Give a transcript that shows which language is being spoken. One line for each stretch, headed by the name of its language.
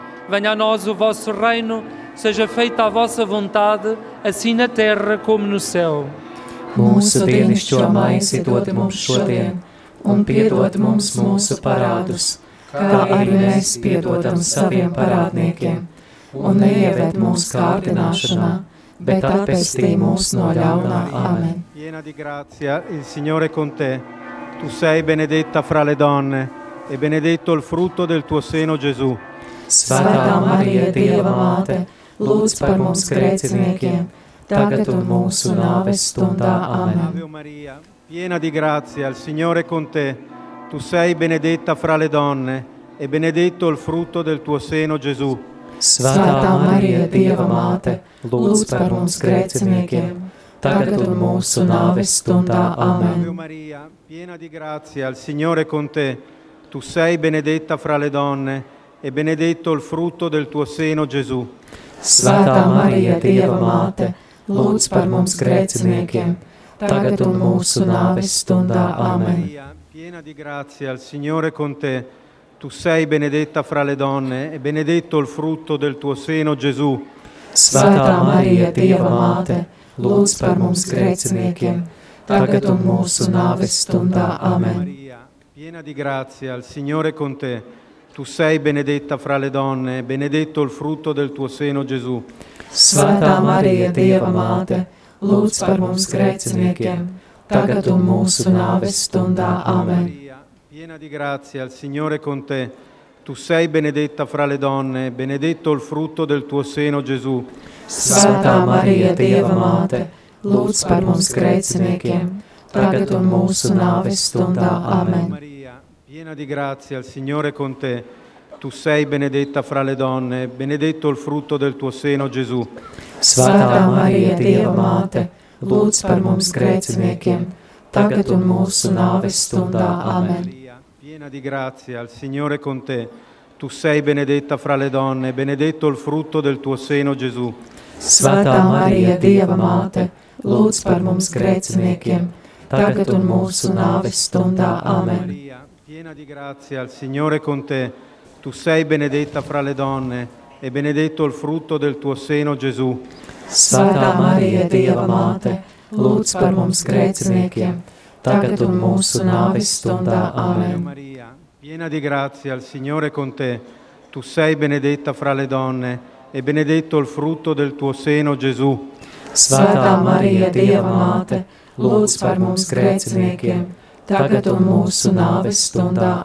Portuguese: Venha a nós o vosso reino, seja feita a vossa vontade, assim na terra como no céu.
Latvian: Mūsu dienišķo maisi dod mums šodien, un piedod mums mūsu parādus, kā arī mēs piedodam saviem parādniekiem, un neieved mūsu kārdināšanā, bet atpestī mūsu no ļaunā. Amen.
Italian: Piena di grazia, il Signore è con te. Tu sei benedetta fra le donne, e benedetto il frutto del tuo seno, Gesù.
Latvian: Svētā Marija, Dieva Māte, lūdz par mums grēciniekiem, tagad un mūsu nāves stundā. Amen.
Italian: Ave Maria, piena di grazia, il Signore è con te. Tu sei benedetta fra le donne, e benedetto il frutto del tuo seno, Gesù.
Latvian: Svētā Marija, Dieva Māte, lūdz par mums grēciniekiem, tagad un mūsu nāves stundā. Amen.
Italian: Ave Maria, piena di grazia, il Signore è con te. Tu sei benedetta fra le donne e benedetto il frutto del tuo seno, Gesù.
Latvian: Svētā Marija, Dieva Māte, lūdz par mums grēciniekiem, tagad un mūsu nāves stundā. Amen.
Italian: Maria, piena di grazia, il Signore con te. Tu sei benedetta fra le donne e benedetto il frutto del tuo seno, Gesù.
Latvian: Svētā Marija, Dieva Māte, lūdz par mums grēciniekiem, tagad un mūsu nāves stundā. Amen.
Italian: Piena di grazia, il Signore con te. Tu sei benedetta fra le donne, benedetto il frutto del tuo seno, Gesù.
Latvian: Svētā Marija, Dieva Māte, lūdz par mums grēciniekiem, tagad un mūsu nāves stundā. Amen.
Italian: Piena di grazia, il Signore con te. Tu sei benedetta fra le donne, benedetto il frutto del tuo seno, Gesù.
Latvian: Svētā Marija, Dieva Māte, lūdz par mums grēciniekiem, tagad un mūsu nāves stundā. Amen.
Italian: Piena di grazia, il Signore con te. Tu sei benedetta fra le donne, benedetto il frutto del tuo seno, Gesù.
Latvian: Svētā Marija, Dieva Māte, lūdz par mums grēciniekiem, tagad un mūsu nāves stundā. Amen.
Italian: Piena di grazia, il Signore con te. Tu sei benedetta fra le donne, benedetto il frutto del tuo seno, Gesù.
Latvian: Svētā Marija, Dieva Māte, lūdz par mums grēciniekiem, tagad un mūsu nāves stundā. Amen.
Italian: Piena di grazia, il Signore con te. Tu sei benedetta fra le donne e benedetto il frutto del tuo seno, Gesù.
Latvian: Svētā Marija, Dieva Māte, lūdz par mums grēciniekiem, tagad un mūsu nāves stundā. Amen.
Italian: Maria, piena di grazia, il Signore con te. Tu sei benedetta fra le donne e benedetto il frutto del tuo seno, Gesù.
Latvian: Svētā Marija, Dieva Māte, lūdz par mums grēciniekiem, tagad un mūsu nāves stundā.